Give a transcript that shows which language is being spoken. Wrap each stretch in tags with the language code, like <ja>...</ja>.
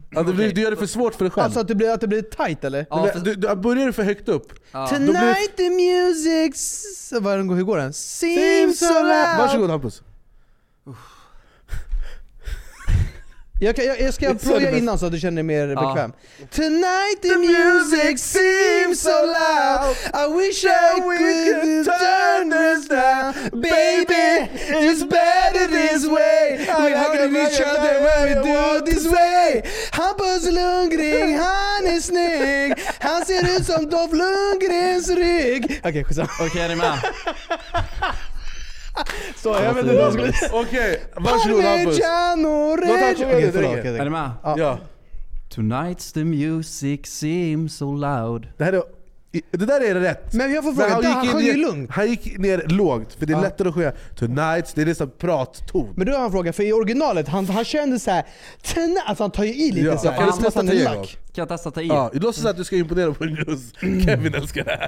<sv>Ja, det blir, okay. Du gör det för svårt för dig själv. Alltså att det blir tight, eller? Ja, du börjar för högt upp. Ja.</sv> <en>Tonight the music...</en> <sv>Hur går den?</sv> <en>Seems so loud.</en> <sv>Varsågod, Hampus. Jag ska plugga innan så att du känner dig mer bekväm.</sv> <en>Tonight the music seems so loud. I wish I could turn this down. Baby, it's better this way. We hugging each other when we do this way.</en> <sv>Hampus Lundgren, han är snygg. Han ser ut som Dolph Lundgrens rygg. Okej, skjutsa. Okej, är ni med? Så jag vet inte vad okej, varsågod Hampus. Är ni med? Ja.</sv> <en>Tonight's the music seems so loud.</en> <sv>Det där är rätt. Men jag får fråga, han sjöng ju lugnt. Han gick ner lågt, för det är lättare att sjunga. Tonight's, det är liksom pratton. Men då har jag en fråga, för i originalet, han kände såhär, alltså han tar ju i lite såhär. Kan du testa ta i? Kan jag testa ta i? Ja, det låter så att du ska imponera på en just Kevin älskar det här.</sv>